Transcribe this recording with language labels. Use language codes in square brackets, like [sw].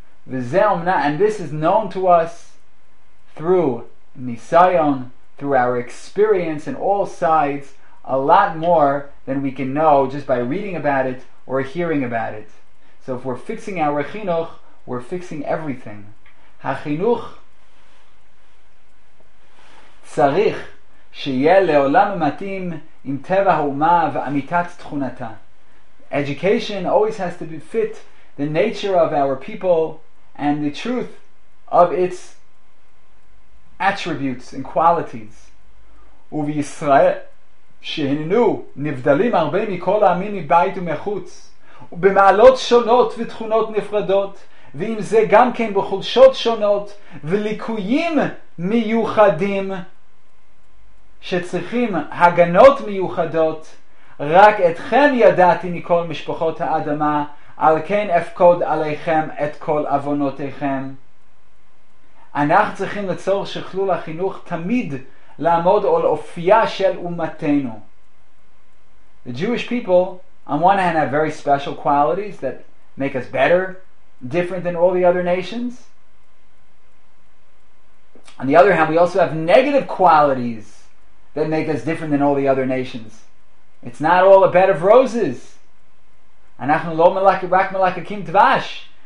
[en] And this is known to us through nisayon, through our experience in all sides, a lot more than we can know just by reading about it or hearing about it. So if we're fixing our chinuch, we're fixing everything. [he] Hachinuch צריך שיהיה לעולם מתאים עם טבע האומה ואמיתת תכונתה. [en] Education always has to be fit the nature of our people and the truth of its attributes and qualities. [he] ובישראל שהננו נבדלים הרבה מכל העמים מבית ומחוץ במעלות שונות ותכונות נפרדות ועם זה גם כן בחולשות שונות וליקויים מיוחדים שצריכים הגנות מיוחדות, רק אתכם ידעתי מכל משפחות האדמה, על כן אפקוד עליכם את כל אבונותיכם. אנחנו צריכים לצורך שכלול החינוך תמיד לעמוד על אופייה של אומתנו. [en] The Jewish people, on one hand, have very special qualities that make us better, different than all the other nations. On the other hand, we also have negative qualities that make us different than all the other nations. It's not all a bed of roses. [he] אנחנו לא רק מלקקים דבש.